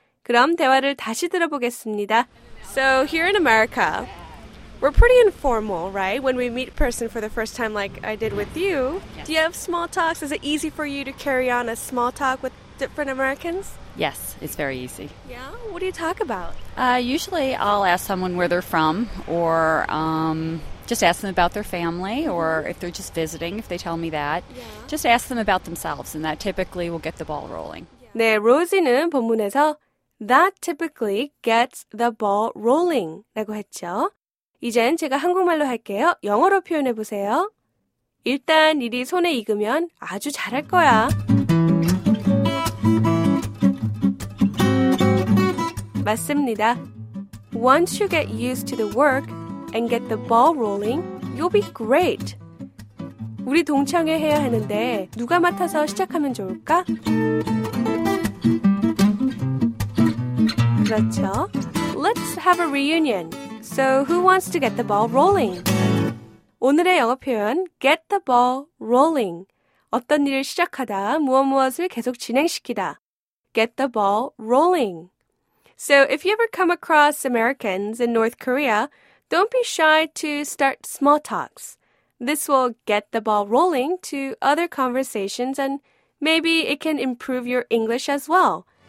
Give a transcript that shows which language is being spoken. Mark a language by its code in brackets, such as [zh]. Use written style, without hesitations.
[ko] 그럼 대화를 다시 들어보겠습니다. [en] So, here in America, we're pretty informal, right? When we meet a person for the first time like I did with you. Yes. Do you have small talks? Is it easy for you to carry on a small talk with different Americans? Yes, it's very easy. Yeah? What do you talk about? Usually I'll ask someone where they're from or just ask them about their family or if they're just visiting, if they tell me that. Yeah. Just ask them about themselves and that typically will get the ball rolling. [ko] Yeah. 네, 로지는 본문에서 [en] that typically gets the ball rolling [ko] 라고 했죠. 이젠 제가 한국말로 할게요. 영어로 표현해 보세요. 일단 일이 손에 익으면 아주 잘할 거야. 맞습니다. [en] Once you get used to the work and get the ball rolling, you'll be great. [ko] 우리 동창회 해야 하는데 누가 맡아서 시작하면 좋을까? 그렇죠. [en] Let's have a reunion. So, who wants to get the ball rolling? [ko] 오늘의 영어 표현, [en] get the ball rolling. [ko] 어떤 일을 시작하다, 무엇무엇을 계속 진행시키다. [en] Get the ball rolling. So, if you ever come across Americans in North Korea, don't be shy to start small talks. This will get the ball rolling to other conversations and maybe it can improve your English as well.